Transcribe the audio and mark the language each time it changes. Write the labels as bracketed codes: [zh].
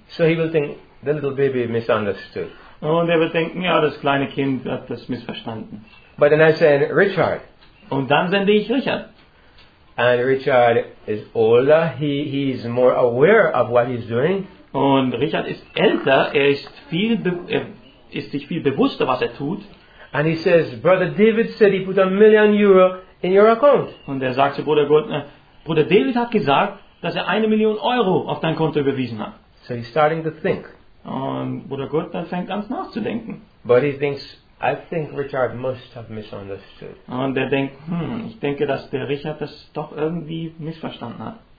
[en] So he will think, the little baby misunderstood. [de] Und er wird denken, ja, das kleine Kind hat das missverstanden. [en] But then I said, Richard. [de] Und dann sende ich Richard. [en] And Richard is older, he is more aware of what he's doing. [de] Und Richard ist älter, er ist sich viel bewusster, was er tut. [en] And he says, Brother David said he put €1 million in your account. [de] Und er sagt zu Bruder Gertner, Bruder David hat gesagt, dass er 1 Million Euro auf dein Konto überwiesen hat. [en] So he's starting to think. [de] Und Bruder Gertner fängt an nachzudenken. [en] But he thinks, I think Richard must have misunderstood. [de] Und er denkt, ich denke, dass der Richard das doch irgendwie missverstanden hat.